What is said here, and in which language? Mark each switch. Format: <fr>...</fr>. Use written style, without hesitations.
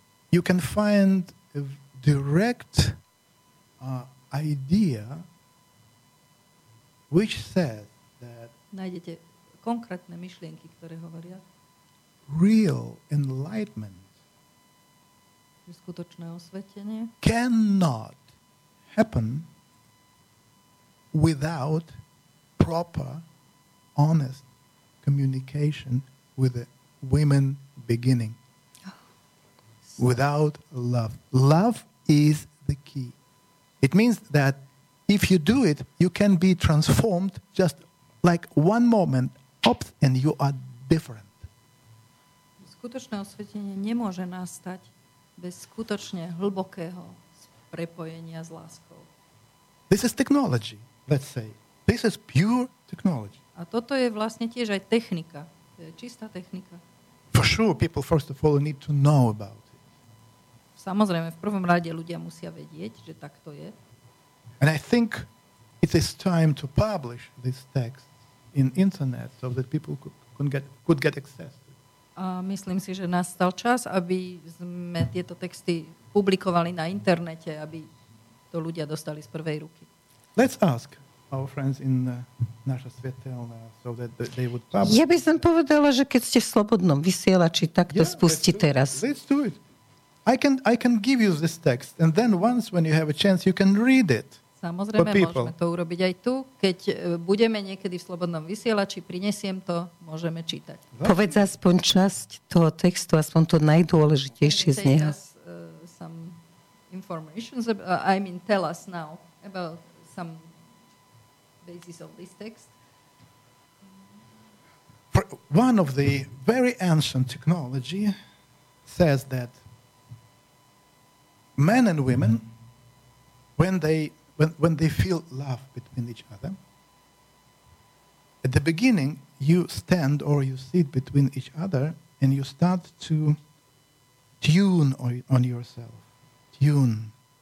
<en>you can find a direct idea which says that</en> <sk>nájdete konkrétne myšlienky, ktoré hovoria</sk> <en>real enlightenment,</en> <sk>skutočné osvetlenie,</sk> <en>cannot happen without proper, honest communication with the women beginning. Without love. Love is the key. It means that if you do it, you can be transformed just like one moment, ops, and you are different.</en> <sk>Skutočné osvietenie nemôže nastať bez skutočne hlbokého prepojenia s láskou.</sk> <en>This is technology, let's say. This is pure technology.</en> <sk>A toto je vlastne tiež aj technika. To je čistá technika.</sk> <en>For sure, people first of all need to know about.</en> <sk>Samozrejme, v prvom rade ľudia musia vedieť, že tak to je.</sk> <en>And I think it is time to publish this text in internet so that people could get access.</en> <sk>A myslím si, že nastal čas, aby sme tieto texty publikovali na internete, aby to ľudia dostali z prvej ruky.</sk> <en>Let's ask our friends in</en> <sk>naša svetelná</sk> <en>so that they would publish.</en> <sk>Ja by som povedala, že keď ste v slobodnom vysielači, tak to spustí teraz.</sk> <en>Let's do it. I can give you this text and then once when you have a chance you can read it.</en> <sk>Samozrejme, môžeme to urobiť aj tu, keď budeme niekedy v slobodnom vysielači, prinesiem to, môžeme čítať. Povedz aspoň časť toho textu, aspoň to najdôležitejšie z neho.</sk> <en>Some information about, I mean tell us now about some basis of this text. For one of the very ancient technology says that men and women, when they feel love between each other, at the beginning you stand or you sit between each other and you start to tune on yourself. Tune.</en>